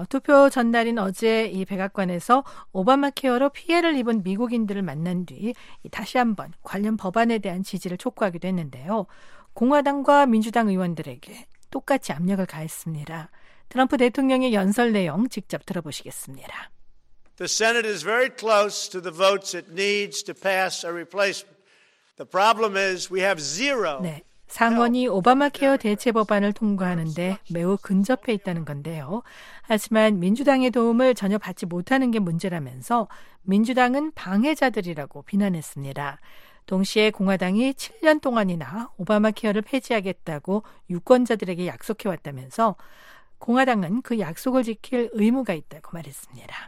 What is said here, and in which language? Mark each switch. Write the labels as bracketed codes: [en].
[ko] 투표 전날인 어제 이 백악관에서 오바마케어로 피해를 입은 미국인들을 만난 뒤 다시 한번 관련 법안에 대한 지지를 촉구하기도 했는데요. 공화당과 민주당 의원들에게 똑같이 압력을 가했습니다. 트럼프 대통령의 연설 내용 직접 들어보시겠습니다. [en] The Senate is very close to the votes it needs to pass a replacement. The problem is we have zero. [ko] 네. 상원이 오바마 케어 대체 법안을 통과하는데 매우 근접해 있다는 건데요. 하지만 민주당의 도움을 전혀 받지 못하는 게 문제라면서 민주당은 방해자들이라고 비난했습니다. 동시에 공화당이 7년 동안이나 오바마 케어를 폐지하겠다고 유권자들에게 약속해왔다면서 공화당은 그 약속을 지킬 의무가 있다고 말했습니다.